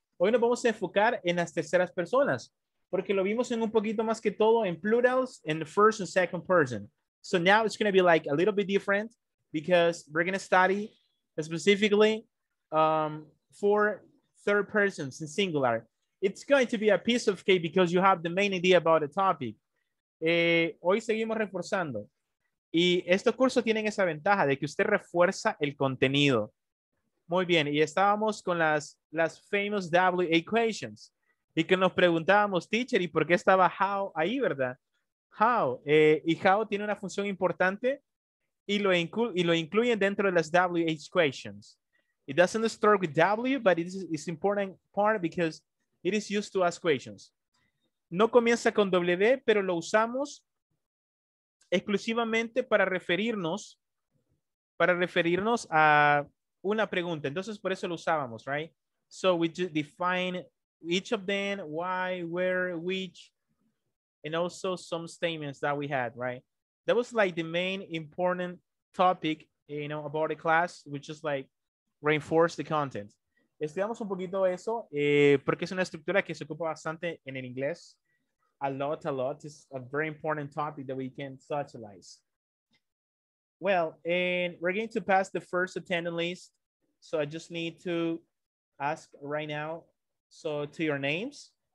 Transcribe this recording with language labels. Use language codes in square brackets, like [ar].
[es] Hoy nos vamos a enfocar en las terceras personas porque lo vimos en un poquito más que todo en [en] plurals and the first and second person. So now it's going to be like a little bit different because we're going to study specifically for third persons in singular. It's going to be a piece of cake because you have the main idea about the topic. [es] Hoy seguimos reforzando. Y estos cursos tienen esa ventaja de que usted refuerza el contenido. Muy bien, y estábamos con las famous W equations. Y que nos preguntábamos, teacher, ¿y por qué estaba how ahí, verdad? How. Y how tiene una función importante y lo incluyen dentro de las W equations. [en] It doesn't start with W, but it is, it's important part because it is used to ask questions. [es] No comienza con W, pero lo usamos exclusivamente para referirnos a una pregunta. Entonces, por eso lo usábamos, right? [en] So, we just define each of them, why, where, which, and also some statements that we had, right? That was like the main important topic, you know, about the class, which is like reinforce the content. [es] Estudiamos un poquito eso porque es una estructura que se ocupa bastante en el inglés. [en] A lot. It's a very important topic that we can socialize. Well, and we're going to pass the first attendance list. So I just need to ask right now, so to your names.